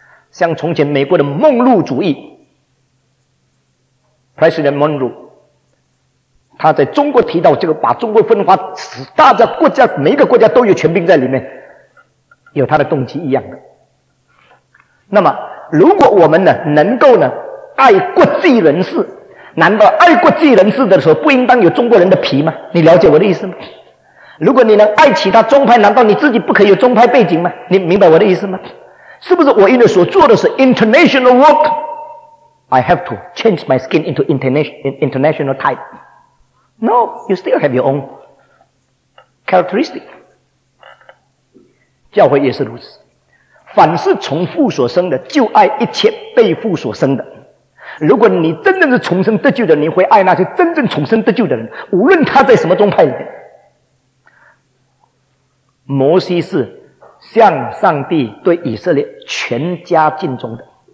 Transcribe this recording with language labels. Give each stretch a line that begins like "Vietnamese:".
Chinese: 像从前美国的梦露主义 President Monroe， 他在中国提到这个，把中国分化，使大家国家每一个国家都有权柄在里面，有他的动机一样的。那么如果我们呢，能够呢爱国际人士，难道爱国际人士的时候不应当有中国人的皮吗？你了解我的意思吗？如果你能爱其他宗派，难道你自己不可以有宗派背景吗？你明白我的意思吗？是不是我因为所做的是
English: international work， I have to change my skin into international type？ No， you still have your own characteristic。
Chinese: 教会也是如此，凡是从父所生的就爱一切被父所生的。如果你真正是重生得救的人，你会爱那些真正重生得救的人，无论他在什么宗派里面。摩西是向上帝对以色列全家尽忠的。